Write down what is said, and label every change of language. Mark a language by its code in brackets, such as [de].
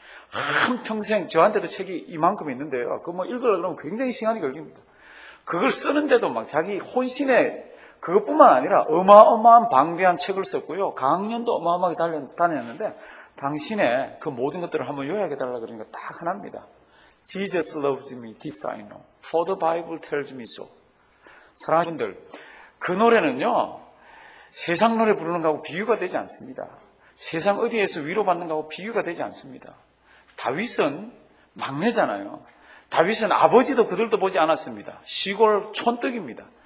[ko] 한 평생 저한테도 책이 이만큼 있는데요. 그거 뭐 읽으려고 그러면 굉장히 시간이 걸립니다. 그걸 쓰는데도 막 자기 혼신에 그것뿐만 아니라 어마어마한 방대한 책을 썼고요. 강연도 어마어마하게 다녔는데 당신의 그 모든 것들을 한번 요약해달라 그러니까 딱 하나입니다. [en] Jesus loves me, this I know. For the Bible tells me so. [ko] 사랑하는 분들, 그 노래는요, 세상 노래 부르는 거하고 비유가 되지 않습니다. 세상 어디에서 위로받는 것하고 비유가 되지 않습니다. 다윗은 막내잖아요. 다윗은 아버지도 그들도 보지 않았습니다. 시골 촌떡입니다.